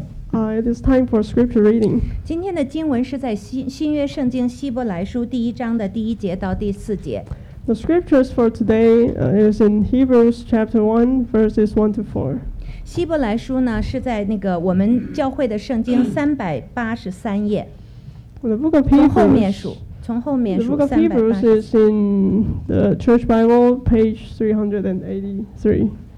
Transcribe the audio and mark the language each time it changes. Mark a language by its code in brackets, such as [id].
[en] It is time for scripture reading. [zh] 今天的经文是在新约圣经希伯来书第一章的第一节到第四节。 [en] The scriptures for today is in Hebrews chapter 1, verses 1 to 4. [zh] 希伯来书呢是在那个我们教会的圣经383页。 [en] The book of Hebrews, [zh] 从后面数 [en] The book of Hebrews is in the church Bible, page 383.